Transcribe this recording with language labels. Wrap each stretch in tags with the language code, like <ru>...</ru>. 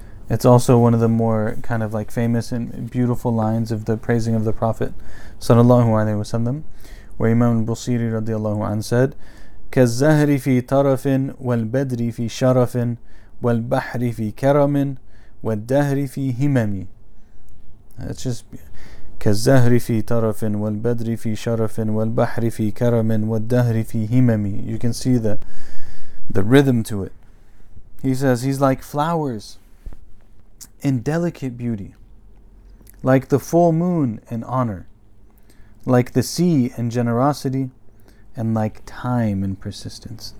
<en>It's also one of the more kind of, like, famous and beautiful lines of the praising of the Prophet sallallahu alaihi wasallam, where Imam al-Busiri radiallahu anhu said,</en> <ar>كَالزَّهْرِ فِي طَرَفٍ وَالْبَدْرِ فِي شَرَفٍ وَالْبَحْرِ فِي كَرَمٍ وَالدَّهْرِ فِي هِمَمٍ.</ar> <en>It's just</en> <ar>كَالزَّهْرِ فِي طَرَفٍ وَالْبَدْرِ فِي شَرَفٍ وَالْبَحْرِ فِي كَرَمٍ وَالدَّهْرِ فِي هِمَمٍ.</ar> <en>You can see the rhythm to it. He says he's like flowers in delicate beauty, like the full moon in honor, like the sea and generosity, and like time and persistence.</en>